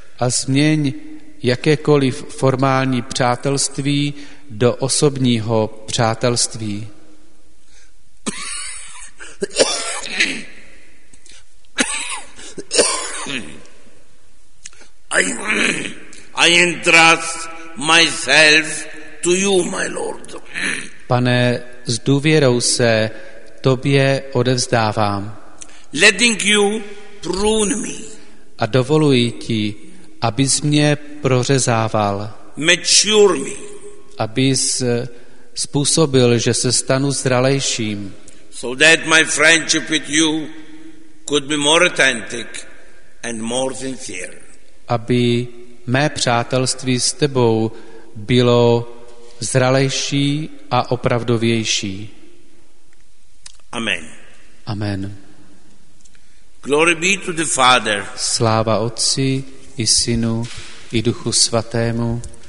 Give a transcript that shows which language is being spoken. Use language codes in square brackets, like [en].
[cs] A změň jakékoliv formální přátelství do osobního přátelství. [en] I entrust myself to you, my Lord. [cs] Pane, s důvěrou se tobě odevzdávám. [en] Letting you prune me. [cs] A dovoluji ti, abys mě prořezával. [en] Mature me. [cs] Abys způsobil, že se stanu zralejším. [en] So that my friendship with you could be more authentic and more sincere. [cs] Aby mé přátelství s tebou bylo zralejší a opravdovější. [en] Amen. [cs] Amen. [en] Glory be to the Father. [cs] Sláva Otci i Synu i Duchu Svatému.